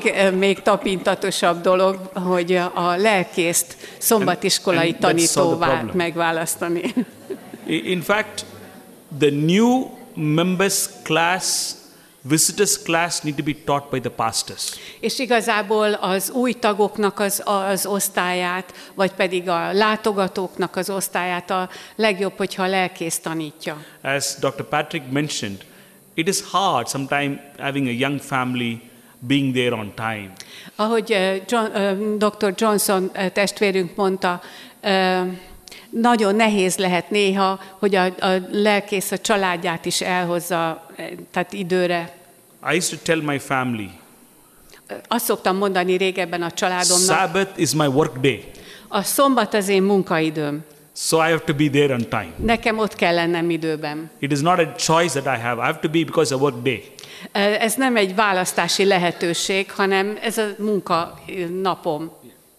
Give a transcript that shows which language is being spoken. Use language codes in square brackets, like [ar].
[hu] Még tapintatosabb dolog, hogy a lelkészt szombatiskolai tanítóvá megválasztani. [en] In fact, the new members class, visitors class need to be taught by the pastors. [hu] És igazából az új tagoknak az osztályát, vagy pedig a látogatóknak az osztályát a legjobb, hogyha a lelkész tanítja. [en] As Dr. Patrick mentioned, it is hard sometimes having a young family being there on time. [hu] Ahogy Dr. Johnson testvérünk mondta, nagyon nehéz lehet néha, hogy a lelkész a családját is elhozza, tehát időre. [en] I used to tell my family. [hu] Azt szoktam mondani régebben a családomnak. [en] Sabbath is my work day. [hu] A szombat az én munkaidőm. [en] So I have to be there on time. [hu] Nekem ott kell lennem időben. [en] It is not a choice that I have. I have to be because of work day. [hu] Ez nem egy választási lehetőség, hanem ez a munka napom.